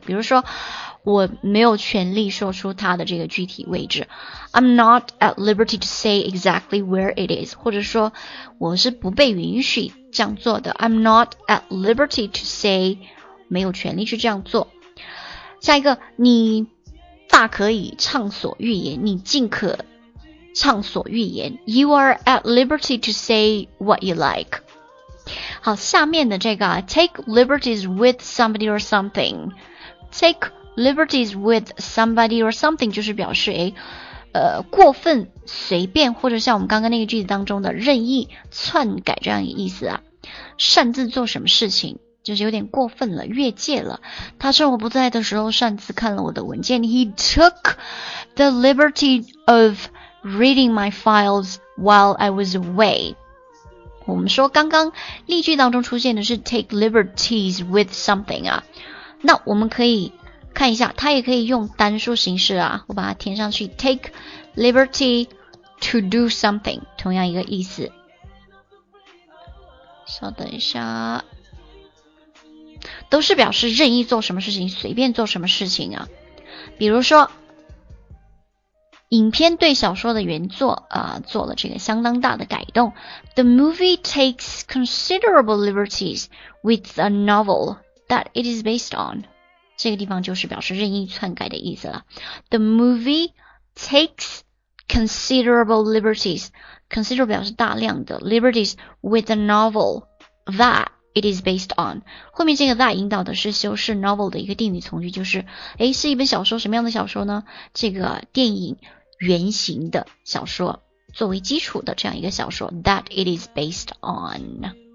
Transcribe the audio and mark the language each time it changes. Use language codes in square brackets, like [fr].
[zh] 比如说，我没有权利说出它的这个具体位置 ， [en] I'm not at liberty to say exactly where it is， [zh] 或者说我是不被允许这样做的 ， [en] I'm not at liberty to say， [zh] 没有权利去这样做。下一个，你大可以畅所欲言，你尽可畅所欲言 ， [en] You are at liberty to say what you like。 [zh] 好，下面的这个 ， [en] take liberties with somebody or something， [zh] take liberties with somebody or something 就是表示过分随便，或者像我们刚刚那个句子当中的任意篡改这样一个意思啊，擅自做什么事情。就是有点过分了，越界了。他趁我不在的时候擅自看了我的文件。 [en] He took the liberty of reading my files while I was away. [zh] 我们说刚刚例句当中出现的是 [en] take liberties with something [zh] 啊。那我们可以看一下，他也可以用单数形式啊，我把它填上去 [en] take liberty to do something， [zh] 同样一个意思。稍等一下。都是表示任意做什么事情，随便做什么事情啊。比如说影片对小说的原作做了这个相当大的改动。 [en] The movie takes considerable liberties with a novel that it is based on. [zh] 这个地方就是表示任意篡改的意思了。 [en] The movie takes considerable liberties. [zh] Considerable 表示大量的 [en] liberties with a novel that,It is based on， [zh] 后面这个 that 引导的是修饰 novel 的一个定语从句，就是诶，是一本小说，什么样的小说呢？这个电影原型的小说作为基础的这样一个小说 [en] that it is based on。